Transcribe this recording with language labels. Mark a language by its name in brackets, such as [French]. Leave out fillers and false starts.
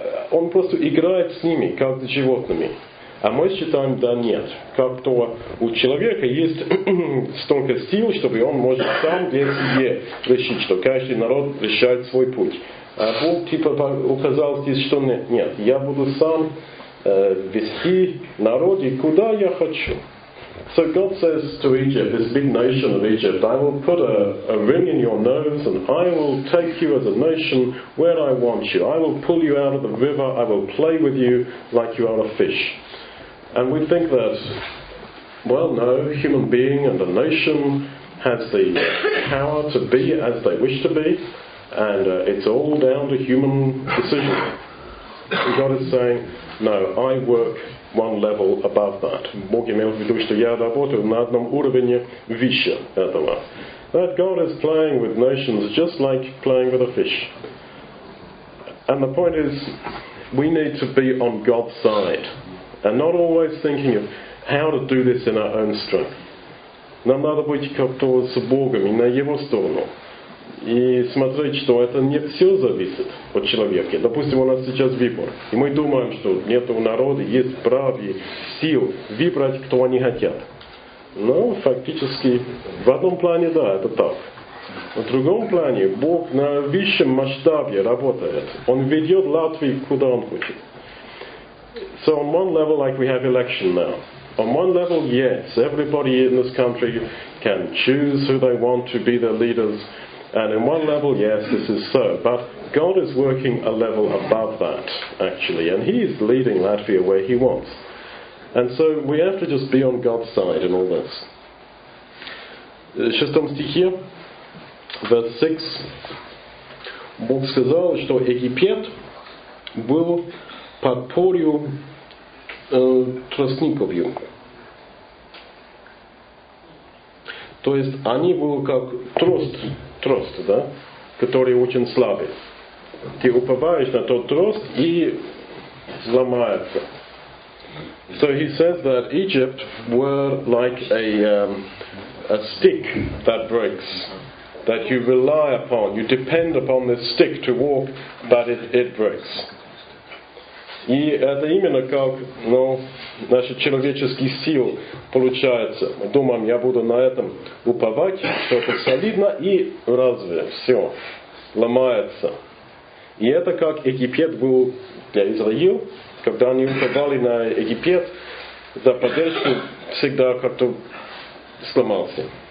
[Russian] Он просто играет с ними, как с животными. А мы считаем, да нет, как-то у человека есть столько сил, чтобы он может сам для себя решить, что каждый народ решает свой путь. А Бог типа указал здесь, что нет, нет, я буду сам вести народ, и куда я хочу. [English] So God says to Egypt, this big nation of Egypt, I will put a ring in your nose and I will take you as a nation where I want you. I will pull you out of the river, I will play with you like you are a fish. And we think that, well, no, human being and a nation has the power to be as they wish to be, and it's all down to human decision. And God is saying, no, I work one level above that. [Russian] Бог имел в виду, что я работаю на одном уровне выше этого. [English] That God is playing with nations just like playing with a fish. And the point is, we need to be on God's side. And not always thinking of how to do this in our own strength. [Russian] Нам надо быть как-то с Богом и на Его сторону. И смотреть, что это не все зависит от человека. Допустим, у нас сейчас выбор. И мы думаем, что нет у народа, есть прав и сил выбрать, кто они хотят. Но фактически, в одном плане, да, это так. В другом плане, Бог на высшем масштабе работает. Он ведет Латвию, куда Он хочет. [English] So on one level, like we have election now. On one level, yes, everybody in this country can choose who they want to be their leaders. And in one level, yes, this is so. But God is working a level above that, actually. And He is leading Latvia where He wants. And so we have to just be on God's side in all this. [Russian] Шестом стихе, [English] verse 6. [Russian] Бог сказал, что Египет был подпорью тростниковью. То есть они были как трост, да, к который очень слабый. Ты уповаешь на тот трос и сломается. [English] So he says that Egypt were like a stick that breaks, that you rely upon, you depend upon this stick to walk, but it breaks. [Russian] И это именно как, ну, наш человеческий сил получается. Думаем, я буду на этом уповать, что это солидно, и разве все ломается. И это как Египет был для Израил, когда они уповали на Египет, за поддержку всегда как-то сломался.